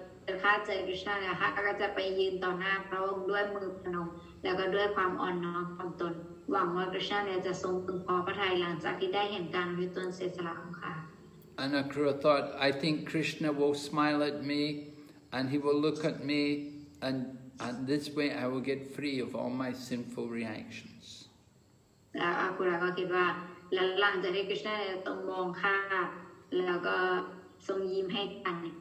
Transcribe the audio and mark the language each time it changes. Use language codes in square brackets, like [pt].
[th] ถ้าเจอคริชนาเนี่ยฮะก็จะไปยืนต่อหน้าพระองค์ด้วยมือพนมแล้วก็ด้วยความอ่อนน้อมของตนหวังว่าคริชนาเนี่ยจะทรงพึงพอพระทัยหลังจากที่ได้เห็นการวิตนเสสละของข้า [en] And Akrura thought I think Krishna will smile at me and he will look at me and this way I will get free of all my sinful reactions [th] แล้วอาคุระก็คิดว่าแล้วหลังจากที่คริชนาเนี่ยต้องมองข้าแล้วก็ทรงยิ้มให้กัน